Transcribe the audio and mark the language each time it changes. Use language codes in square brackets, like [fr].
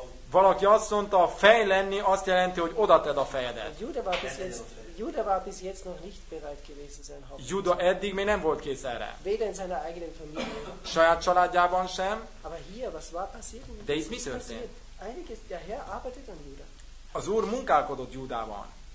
[hu] Valaki azt mondta, a fej lenni azt jelenti, hogy oda tedd a fejedet. [de] Juda war bis jetzt noch nicht bereit gewesen, sein Haupt. [hu] Juda eddig még nem volt kész erre. [de] Weder in seiner eigenen Familie. [hu] Saját családjában sem. [de] Aber hier, was war passiert? [hu] De itt mi történt? [de] Einiges, der Herr arbeitet an Juda. [hu] Az Úr munkálkodott Júdában.